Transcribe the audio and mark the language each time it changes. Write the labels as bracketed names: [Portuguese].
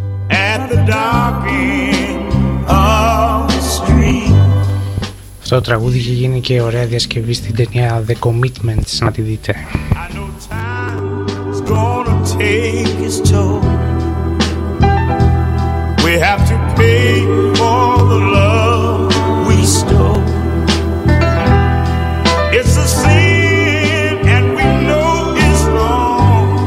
[English] At the dark end of the street. [Greek] Αυτό το τραγούδι είχε γίνει και ωραία διασκευή στην ταινία The Commitments, να τη δείτε. [English] I know time's gonna take its toll. We have to pay for the love we stole. It's a sin and we know it's wrong.